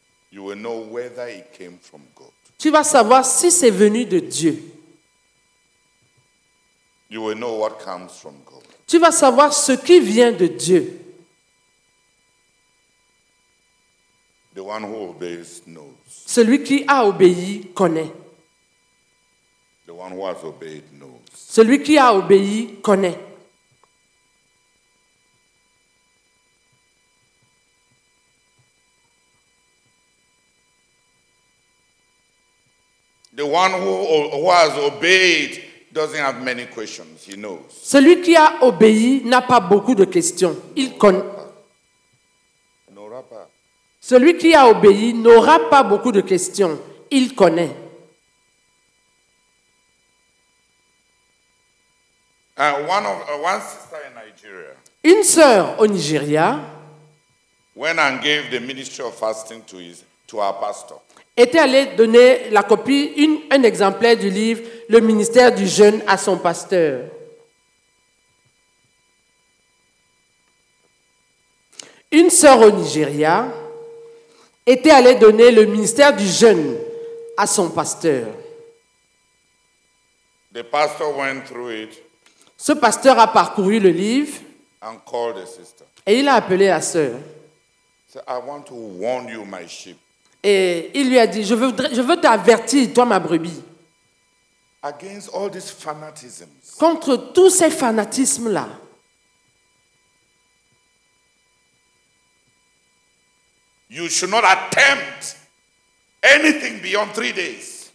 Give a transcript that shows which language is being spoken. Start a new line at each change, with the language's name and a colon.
English: You will know whether it came from God.
French: Tu vas savoir si c'est venu de Dieu.
English: You will know what comes from God.
French: Tu vas savoir ce qui vient de Dieu.
English: The one who obeys knows.
French: Celui qui a obéi connaît.
English: The one who has obeyed knows.
French: Celui qui a obéi connaît.
English: The one who has obeyed doesn't have many questions. He knows.
French: Celui qui a obéi n'a pas beaucoup de questions. Il connaît. N'aura pas. Celui qui a obéi n'aura pas beaucoup de questions. Il connaît.
English: One sister in Nigeria.
French: Une sœur au Nigeria.
English: When I gave the ministry of fasting to our pastor.
French: Était allé donner la copie, un exemplaire du livre Le ministère du jeûne à son pasteur. Une sœur au Nigeria était allée donner le ministère du jeûne à son pasteur.
English: The pastor went through it.
French: Ce pasteur a parcouru le livre
English: and called the sister.
French: Et il a appelé la sœur.
English: So I want to warn you, my sheep.
French: Et il lui a dit, je veux t'avertir, toi, ma brebis.
English: Against all these fanatisms.
French: Contre tous ces fanatismes-là.
English: You should not attempt anything beyond 3 days.